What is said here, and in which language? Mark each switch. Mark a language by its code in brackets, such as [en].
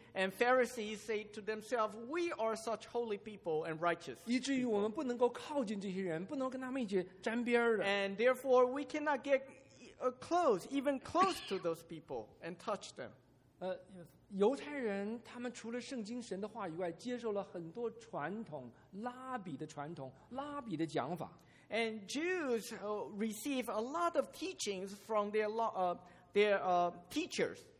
[en] And Pharisees say to themselves, we are such holy people and righteous. [zh] 以至于我们不能够靠近这些人，不能跟他们一起沾边的。 [en] And therefore, we cannot get close, even close to those people and touch them. [zh] 犹太人他们除了圣经神的话以外，接受了很多传统，拉比的传统，拉比的讲法。 [en] And Jews receive a lot of teachings from their teachers.